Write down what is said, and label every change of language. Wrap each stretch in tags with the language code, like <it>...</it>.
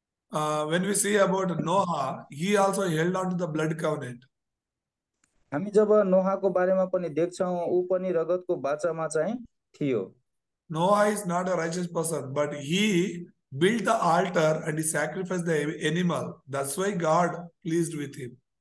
<en>when we see about Noah, he also held on to the blood covenant.</en> <ne>हामी जब नोहाको बारेमा पनि देख्छौँ ऊ पनि रगतको बाचामा चाहिँ थियो.</ne> <en>Noah is not a righteous person, but he built the altar and he sacrificed the animal. That's why God pleased with him.</en>